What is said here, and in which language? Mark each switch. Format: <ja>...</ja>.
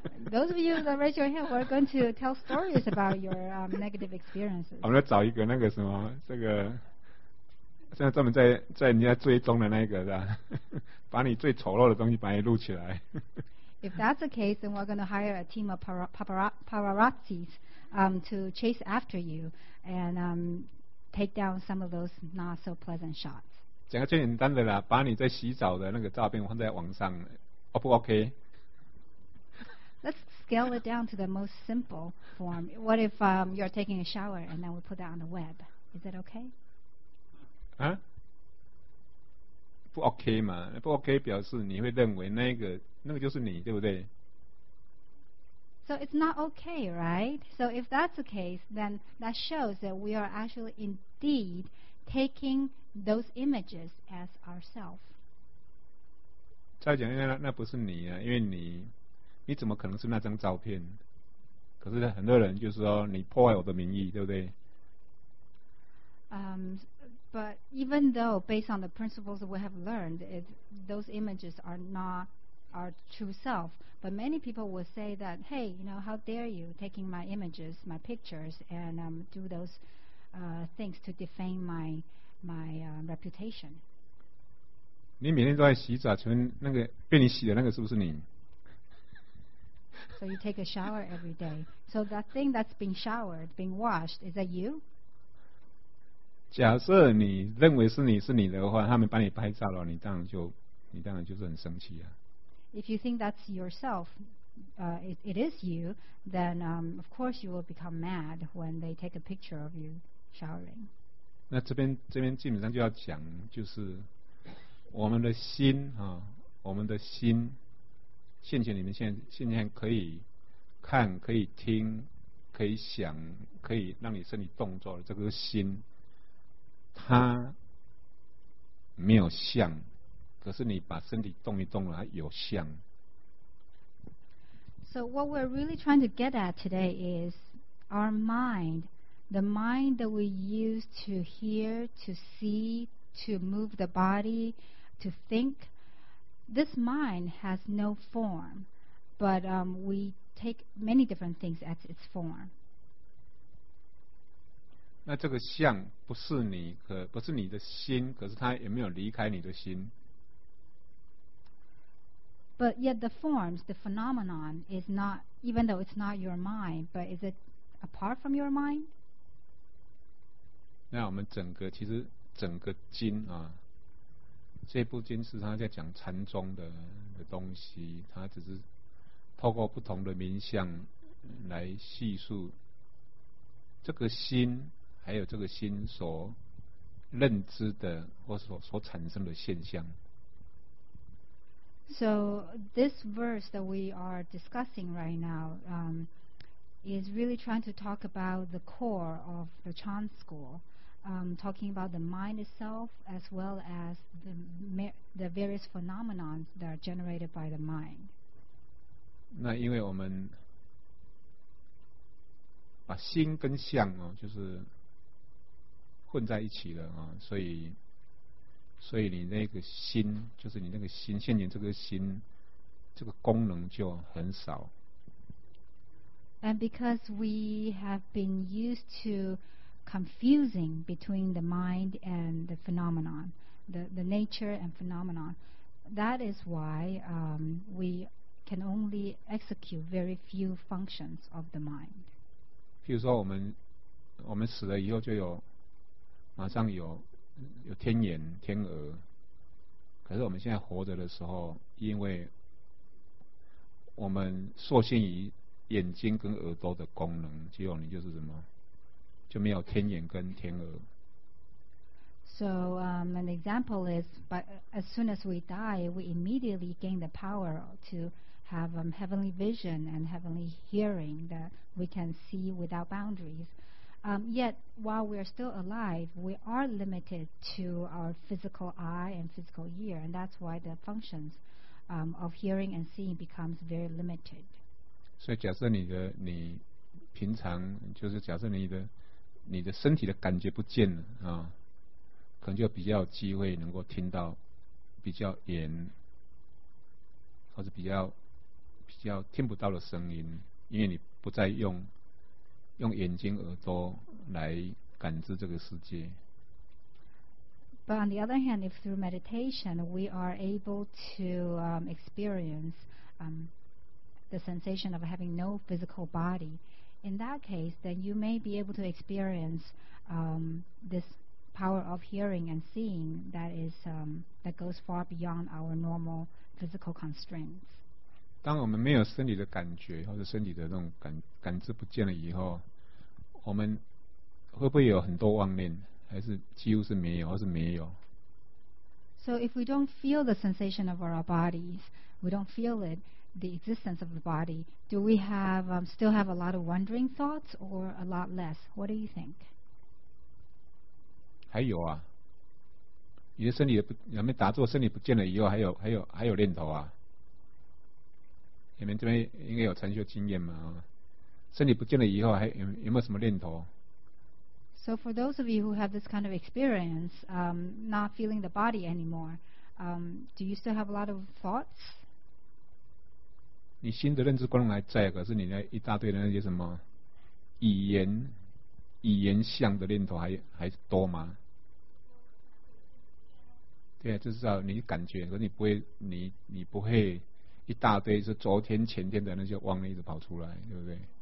<en>Those of you that raise your hand, we're going to tell stories about your negative experiences.</en> <zh>我们要找一个那个什么这个。现在专门在人家追踪的那个是吧？把你最丑陋的东西把你录起来。</zh> <en>If that's the case, then we're going to hire a team of paparazzi to chase after you and take down some of those not so pleasant shots.</en> <zh>讲个最简单的啦，把你在洗澡的那个照片放在网上 ，O 不 OK？</zh> <en>Let's scale it down to the most simple form. What if you're taking a shower and then we put that on the web? Is it okay?</en> <zh>啊，不 OK 嘛？不 OK 表示你会认为那个就是你，对不对</zh> <en>？So it's not okay, right? So if that's the case, then that shows that we are actually indeed taking those images as ourselves.</en> <zh>再讲，那不是你啊，因为你怎么可能是那张照片？可是很多人就是说你破坏我的名誉，对不对？</zh> <en>But even though based on the principles that we have learned, those images are not our true self. But many people will say that, hey, you know, how dare you taking my images, my pictures, and do those things to defame my reputation.</en> <zh>你每天都在洗澡，请问那个被你洗的那个是不是你？</zh> <en>So you take a shower every day. So that thing that's been showered, been washed, is that you?</en> <zh>假设你认为是你的话，他们把你拍照了，你当然就是很生气啊。</zh> <en>If you think that's yourself, it is you, then of course you will become mad when they take a picture of you showering.</en> <zh>那这边基本上就要讲，就是我们的心啊，我们的心，现前里面现前可以看，可以听，可以想，可以让你身体动作的这个心。它没有像，可是你把身体动一动了，它有像。</zh> <en>So what we're really trying to get at today is our mind, the mind that we use to hear, to see, to move the body, to think. This mind has no form, but we take many different things as its form.</en> <zh>那这个像不是你，可不是你的心，可是它有没有离开你的心</zh> <en>？But yet the forms, the phenomenon is not, even though it's not your mind, but is it apart from your mind?</en> <zh>那我们整个其实整个经啊，这部经是他在讲禅宗的东西，他只是透过不同的名相来叙述这个心。还有这个心所认知的或所产生的现象。</zh> <en>So this verse that we are discussing right now, is really trying to talk about the core of the Chan school, talking about the mind itself as well as the various phenomena that are generated by the mind.</en> <zh>那因为我们把心跟相哦，就是混在一起了啊，所以你那个心，就是你那个心，现前这个心，这个功能就很少。</zh> <en>And because we have been used to confusing between the mind and the phenomenon, the nature and phenomenon, that is why we can only execute very few functions of the mind.</en> <zh>譬如说我们死了以后就有马上有天眼天耳，可是我们现在活着的时候，因为我们受限于眼睛跟耳朵的功能，结果你就是什么，就没有天眼跟天耳。</zh> <en>So an example is, but as soon as we die, we immediately gain the power to have heavenly vision and heavenly hearing that we can see without boundaries. Yet while we are still alive, we are limited to our physical eye and physical ear, and that's why the functions of hearing and seeing becomes very limited.</en> <zh>所以假设你平常就是假设你的身体的感觉不见了啊，可能就比较有机会能够听到比较远或者比较听不到的声音，因为你不再用眼睛耳朵来感知这个世界。</zh> <en>But on the other hand, if through meditation we are able to experience the sensation of having no physical body, in that case, then you may be able to experience this power of hearing and seeing that is that goes far beyond our normal physical constraints.</en> <zh>当我们没有身体的感觉或者身体的那种感知不见了以后，我们会不会有很多妄念？还是几乎是没有，还是没有？</zh> <en>So if we don't feel the sensation of our bodies, we don't feel it, the existence of the body, do we have still have a lot of wandering thoughts or a lot less? What do you think?</en> <zh>还有啊，你的身体有没有打坐？身体不见了以后，还有念头啊？你们这边应该有禅修经验嘛？身体不见了以后，还有没有什么念头？</zh> <en>So for those of you who have this kind of experience, not feeling the body anymore, do you still have a lot of thoughts?</en> <zh>你新的认知功能还在，可是你那一大堆的那些什么语言相的念头还多吗？对啊，就是你感觉，可是你不会一大堆是昨天前天的那些妄念一直跑出来，对不对？</zh>